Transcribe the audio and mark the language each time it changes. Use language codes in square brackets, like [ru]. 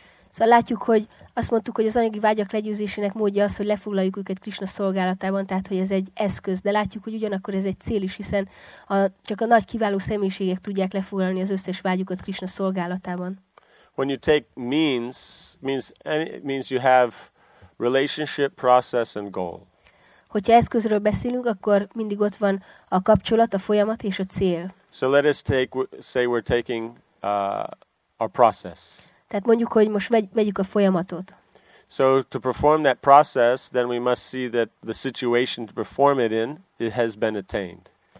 [hu] Szóval látjuk, hogy azt mondtuk, hogy az anyagi vágyak legyőzésének módja az, hogy lefoglaljuk őket Krishna szolgálatában, tehát hogy ez egy eszköz, de látjuk, hogy ugyanakkor ez egy cél is, hiszen csak a nagy kiváló személyiségek tudják lefoglalni az összes vágyukat Krishna szolgálatában. [en] When you take means you have relationship, process and goal. [hu] Hogyha eszközről beszélünk, akkor mindig ott van a kapcsolat, a folyamat és a cél. [en] So let us take, say we're taking our process. [hu] Tehát mondjuk, hogy most vegyük a folyamatot. [en] So to perform that process, then we must see that the situation to perform it in, it has been attained.